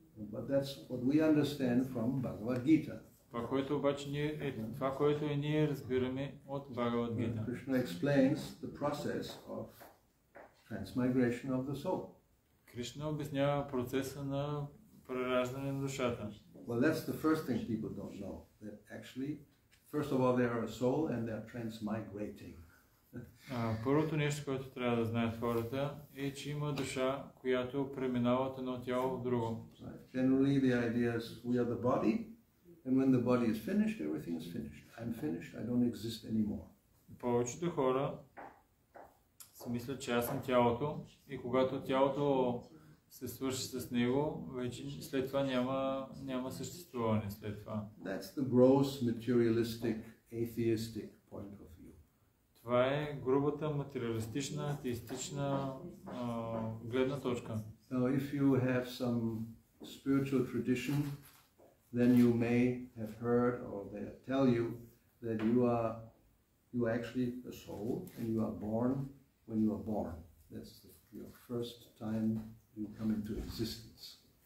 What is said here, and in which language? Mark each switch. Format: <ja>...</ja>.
<en>But that's what we understand from Bhagavad Gita.</en> <bg>Това, което обаче ние разбираме от Бхагавад Гита.</bg> <en>Krishna explains the process of transmigration of the soul.</en> <bg>Кришна обяснява процеса на прераждане на душата.</bg> <en>Well, that's the first thing people don't know. That actually, first of all, they are a soul and they are transmigrating.</en> <bg>Първото нещо, което трябва да знаят хората, е, че има душа, която преминава от едно тяло в друго.</bg> <en>Generally, the idea is we are the body, and when the body is finished, everything is finished. I'm finished, I don't exist anymore.</en> <bg>Повечето хора си мислят, че аз съм тялото и когато тялото се свърши с него, вече след това няма съществуване след това.</bg> <en>That's the gross materialistic atheistic point of view.</en> <bg>Това е грубата материалистична атеистична гледна точка.</bg> <en>So if you have some spiritual tradition, then you may have heard or they tell you that you are actually a soul and you are born when you are born. That's your first time you come into existence.</en>